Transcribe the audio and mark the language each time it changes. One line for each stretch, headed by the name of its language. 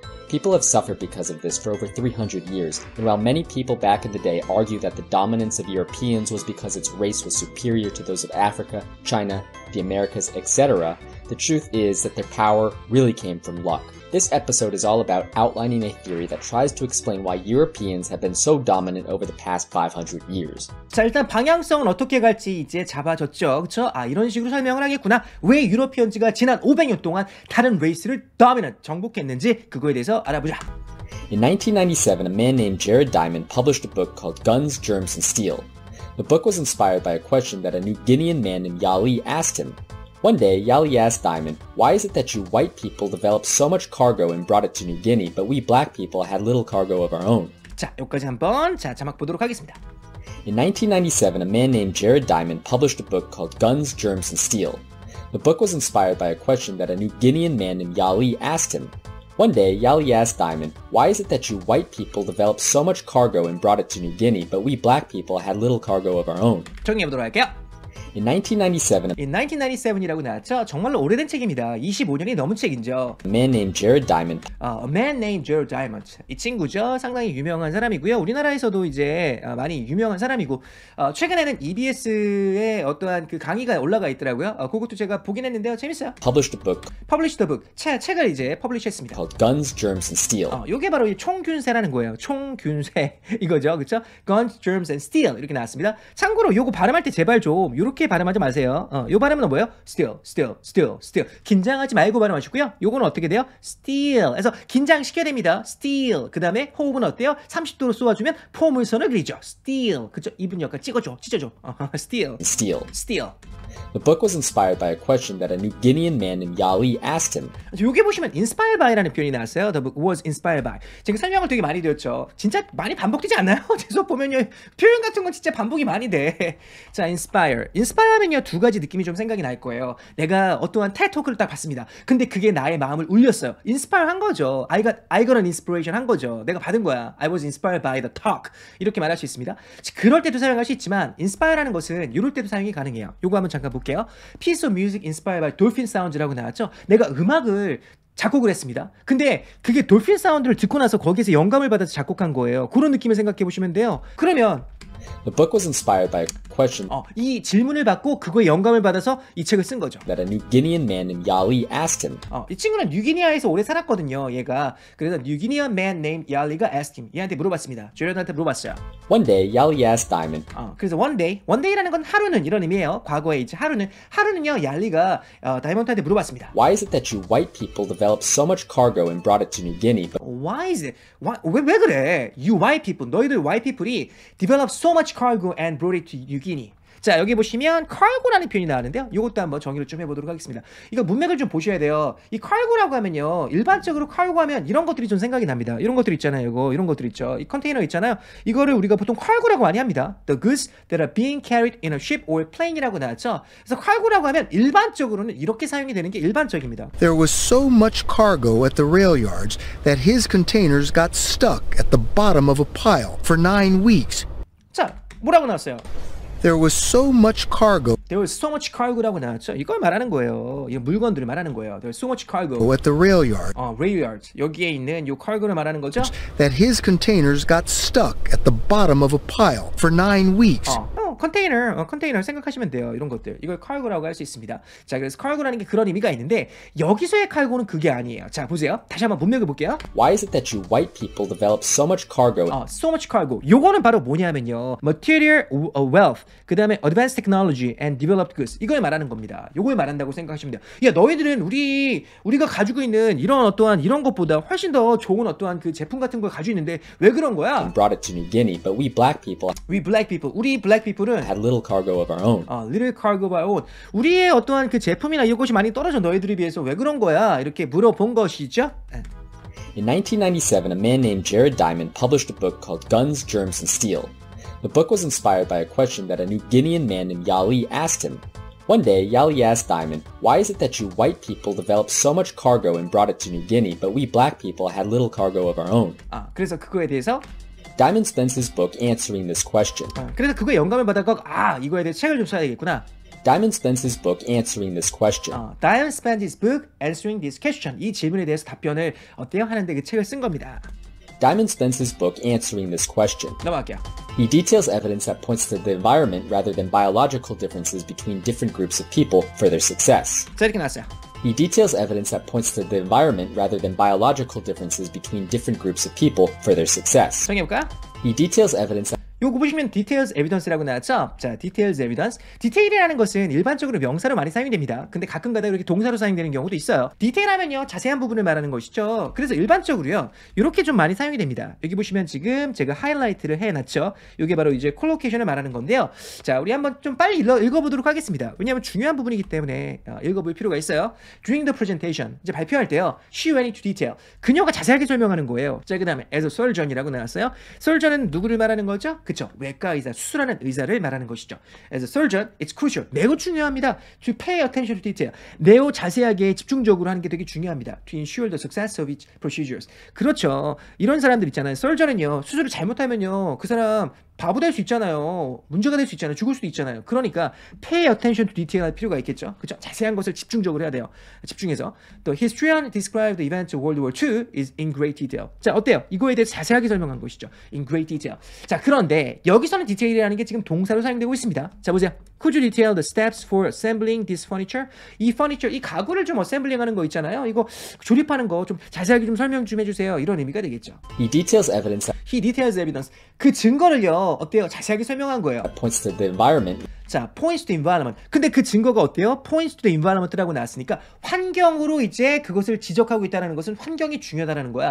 English: People have suffered because of this for over 300 years, and while many people back in the day argue that the dominance of Europeans was because its race was superior to those of Africa, China, the Americas, etc., the truth is that their power really came from luck. This episode is all about outlining a theory that tries to explain why Europeans have been so dominant over the past 500 years.
Korean: 자, 일단 방향성은 어떻게 갈지 이제 잡아졌죠. 그렇죠? 이런 식으로 설명을 하겠구나. 왜 유러피언즈가 지난 500년 동안 다른 레이스를 dominant, 정복했는지 그거에 대해서 알아보자.
English: In 1997, a man named Jared Diamond published a book called Guns, Germs, and Steel. The book was inspired by a question that a New Guinean man named Yali asked him. One day, Yali asked Diamond, why is it that you white people developed so much cargo and brought it to New Guinea, but we black people had little cargo of our own?
Korean: 자, 여기까지 한번 자, 자막 보도록 하겠습니다.
English: In 1997, a man named Jared Diamond published a book called Guns, Germs, and Steel. The book was inspired by a question that a New Guinean man named Yali asked him. One day, Yali asked Diamond, why is it that you white people developed so much cargo and brought it to New Guinea, but we black people had little cargo of our own?
Korean: 정리해보도록 할게요. 1997이라고 나왔죠. 정말로 오래된 책입니다. 25년이 넘은 책이죠.
English: A man named Jared Diamond.
Korean: 이 친구죠. 상당히 유명한 사람이고요. 우리나라에서도 이제 많이 유명한 사람이고 최근에는 EBS에 어떠한 그 강의가 올라가 있더라고요. 그것도 제가 보긴 했는데요. 재밌어요.
English: Published a book.
Korean: 책을 이제 퍼블리시했습니다.
English: Called Guns, Germs, and Steel.
Korean: 이게 바로 총균쇠라는 거예요. 총균쇠 이거죠, 그렇죠? Guns, Germs, and Steel 이렇게 나왔습니다. 참고로 요거 발음할 때 제발 좀 이렇게 발음하지 마세요. 요 발음은 뭐예요? Steel. 긴장하지 말고 발음하시고요. 요거는 어떻게 돼요? Steel. 그래서 긴장시켜야 됩니다.
English: Steel.
Korean: 그 다음에 호흡은 어때요? 30도로 쏘아주면 포물선을 그리죠. Steel. 그렇죠? 입은 약간 찢어줘. Steel.
English: The book was inspired by a question that a New Guinean man named Yali asked him.
Korean: 여기 보시면 inspired by라는 표현이 나왔어요.
English: The book was inspired by.
Korean: 제가 설명을 되게 많이 드렸죠. 진짜 많이 반복되지 않나요? 계속 보면요. 표현 같은 건 진짜 반복이 많이 돼. 자, inspire. Inspire 하면요. 두 가지 느낌이 좀 생각이 날 거예요. 내가 어떠한 TED토크를 딱 봤습니다. 근데 그게 나의 마음을 울렸어요. Inspire 한 거죠.
English: I got an inspiration
Korean: 한 거죠. 내가 받은 거야.
English: I was inspired by the talk.
Korean: 이렇게 말할 수 있습니다. 그럴 때도 사용할 수 있지만 inspire라는 것은 이럴 때도 사용이 가능해요. 요거 한번 잠깐 볼게요.
English: Piece of music inspired by dolphin sounds라고 나왔죠.
Korean: 내가 음악을 작곡을 했습니다. 근데 그게 돌핀 사운드를 듣고 나서 거기에서 영감을 받아서 작곡한 거예요. 그런 느낌을 생각해 보시면 돼요. 그러면
English: The book was inspired by a question.
Korean: 이 질문을 받고 그거에 영감을 받아서 이 책을 쓴 거죠.
English: That a New Guinean man named Yali asked him.
Korean: 이 친구는 뉴기니아에서 오래 살았거든요. 얘가 그래서 뉴기니아 man named Yali가 asked him. 얘한테 물어봤습니다. 조련한테 물어봤어요.
English: One day, Yali asked Diamond.
Korean: 그래서 one day라는 건 하루는 이런 의미예요. 과거에 이제 하루는요. 얄리가 다이먼트한테 물어봤습니다.
English: Why is it that you white people develop so much cargo and brought it to New Guinea? But... Why is it? Why 그래? You white people,
Korean: 너희들
English: white people이 develop so much cargo and brought it to New Guinea.
Korean: 자, 여기 보시면 cargo라는 표현이 나왔는데요. 이것도 한번 정의를 좀 해보도록 하겠습니다. 이거 문맥을 좀 보셔야 돼요. 이 cargo라고 하면요. 일반적으로 cargo 하면 이런 것들이 좀 생각이 납니다. 이런 것들 있잖아요. 이런 것들 있죠. 이 컨테이너 있잖아요. 이거를 우리가 보통 cargo라고 많이 합니다.
English: The goods that are being carried in a ship or plane이라고 나왔죠.
Korean: 그래서 cargo라고 하면 일반적으로는 이렇게 사용이 되는 게 일반적입니다.
English: There was so much cargo at the rail yards that his containers got stuck at the bottom of a pile for 9 weeks.
Korean: 자, 뭐라고 나왔어요?
English: There was so much cargo. There was so much cargo라고 나왔죠.
Korean: 이걸 말하는 거예요. 이 물건들을 말하는 거예요.
English: There was so much cargo. At the rail yard.
Korean: Rail yard. 여기에 있는 요 cargo를 말하는 거죠.
English: That his containers got stuck at the bottom of a pile for 9 weeks.
Korean: Container 생각하시면 돼요. 이런 것들. 이걸 cargo라고 할 수 있습니다. 자, 그래서 cargo라는 게 그런 의미가 있는데 여기서의 cargo는 그게 아니에요. 자, 보세요. 다시 한번 문맥을 볼게요.
English: Why is it that you white people develop so much cargo? So much cargo.
Korean: 요거는 바로 뭐냐면요.
English: Material wealth.
Korean: 그 다음에
English: advanced technology and developed goods.
Korean: 이걸 말하는 겁니다. 요걸 말한다고 생각하시면 돼요. 야, 너희들은 우리가 가지고 있는 이런 어떠한 이런 것보다 훨씬 더 좋은 어떠한 그 제품 같은 걸 가지고 있는데 왜 그런 거야?
English: And brought it to New Guinea, but we black people.
Korean: 우리 black people은
English: Had little cargo of our own. Little cargo of our own.
Korean: 우리의 어떠한 그 제품이나 이것이 많이 떨어져 너희들에 비해서 왜 그런 거야? 이렇게 물어본 것이죠.
English: In 1997, a man named Jared Diamond published a book called Guns, Germs, and Steel. The book was inspired by a question that a New Guinean man named Yali asked him. One day, Yali asked Diamond, "Why is it that you white people developed so much cargo and brought it to New Guinea, but we black people had little cargo of our own?"
Korean: 그래서 그거에 대해서.
English: Diamond spends his book answering this question.
Korean: 그래서 그거에 영감을 받아서 이거에 대해 책을 좀 써야 되겠구나.
English: Diamond spends his book answering this question. Diamond spends his book answering this question.
Korean: 이 질문에 대해서 답변을 어때요? 하는데 그 책을 쓴 겁니다.
English: Diamond spends his book answering this question.
Korean: 넘어갈게요.
English: He details evidence that points to the environment rather than biological differences between different groups of people for their success.
Korean: 자, 이렇게 나왔어요.
English: He details evidence that points to the environment rather than biological differences between different groups of people for their success.
Korean: 정해볼까?
English: He details evidence that
Korean: 요거 보시면 details evidence라고 나왔죠? 자, details evidence. detail이라는 것은 일반적으로 명사로 많이 사용됩니다. 근데 가끔가다 이렇게 동사로 사용되는 경우도 있어요. detail하면요, 자세한 부분을 말하는 것이죠. 그래서 일반적으로요, 이렇게 좀 많이 사용이 됩니다. 여기 보시면 지금 제가 하이라이트를 해놨죠? 요게 바로 이제 collocation을 말하는 건데요. 자, 우리 한번 좀 빨리 읽어보도록 하겠습니다. 왜냐하면 중요한 부분이기 때문에 읽어볼 필요가 있어요.
English: During the presentation,
Korean: 이제 발표할 때요,
English: she went into detail.
Korean: 그녀가 자세하게 설명하는 거예요. 자, 그 다음에 as a surgeon이라고 나왔어요. surgeon은 누구를 말하는 거죠? 그쵸? 외과 의사, 수술하는 의사를 말하는 것이죠.
English: As a surgeon, it's crucial.
Korean: 매우 중요합니다.
English: To pay attention to detail.
Korean: 매우 자세하게 집중적으로 하는 게 되게 중요합니다.
English: To ensure the success of each procedures.
Korean: 그렇죠. 이런 사람들 있잖아요. Surgeon은요, 수술을 잘못하면요, 그 사람 바보 될 수 있잖아요. 문제가 될 수 있잖아요. 죽을 수도 있잖아요. 그러니까 pay attention to detail 할 필요가 있겠죠. 그쵸? 자세한 것을 집중적으로 해야 돼요. 집중해서.
English: The historian described the events of World War II is in great detail.
Korean: 자, 어때요? 이거에 대해서 자세하게 설명한 것이죠.
English: In great detail.
Korean: 자, 그런데 여기서는 detail이라는 게 지금 동사로 사용되고 있습니다. 자, 보세요.
English: Could you detail the steps for assembling this furniture?
Korean: 이 furniture, 이 가구를 좀 assembling 하는 거 있잖아요. 이거 조립하는 거 좀 자세하게 좀 설명 좀 해주세요. 이런 의미가 되겠죠. He details evidence.
English: He details evidence.
Korean: 그 증거를요. 어때요? 자세하게 설명한 거예요.
English: Points to the environment.
Korean: 자,
English: points to the environment.
Korean: 근데 그 증거가 어때요? Points to the environment라고 나왔으니까 환경으로 이제 그것을 지적하고 있다는 것은 환경이 중요하다는 거야.